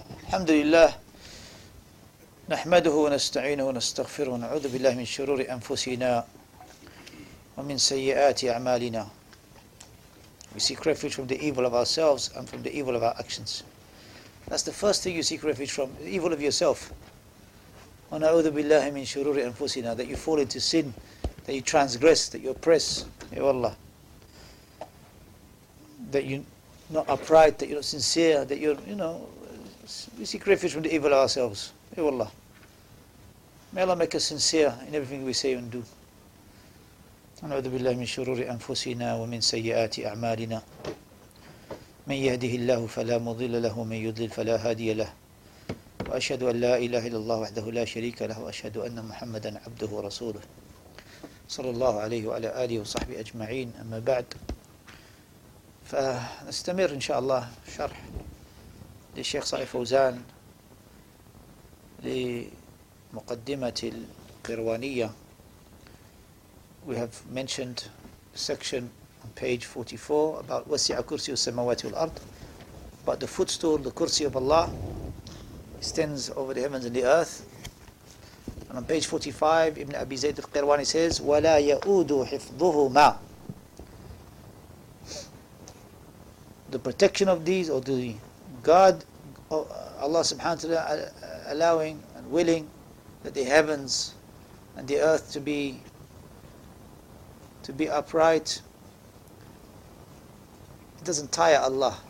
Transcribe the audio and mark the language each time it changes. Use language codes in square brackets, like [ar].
[ar] الحمد لله نحمده ونستعينه ونستغفره ونعوذ بالله من شرور أنفسنا ومن سيئات أعمالنا. [en] We seek refuge from the evil of ourselves and from the evil of our actions. That's the first thing you seek refuge from, the evil of yourself. [ar] ونعوذ بالله من شرور أنفسنا, [en] that you fall into sin, that you transgress, that you oppress. Ya Allah. That you're not upright, that you're not sincere, that you're, you know, we seek refuge from the evil of ourselves. Ya Allah. May Allah make us sincere in everything we say and do. [ar] ونعوذ بالله من شرور أنفسنا ومن سيئات أعمالنا. من يهده الله فلا مضل له ومن يضلل فلا هادي له. وأشهد أن لا إله إلا الله وحده لا شريك له وأشهد أن محمدا عبده ورسوله. صلى الله عليه وعلى آله وصحبه أجمعين. أما بعد, فنستمر إن شاء الله شرح للشيخ صالح فوزان لمقدمة القيروانية. [en] We have mentioned section on page 44 about [ar] وَسِعَ كُرْسِيُ السَّمَوَاتِ وَالْأَرْضِ, [en] about the footstool, the kursi of Allah extends over the heavens and the earth. And on page 45, Ibn Abi Zayd al-Qirwani says, [ar] وَلَا يَؤُودُ حِفْظُهُمَا, [en] the protection of these, or the God, Allah subhanahu wa ta'ala allowing and willing that the heavens and the earth to be upright, it doesn't tire Allah.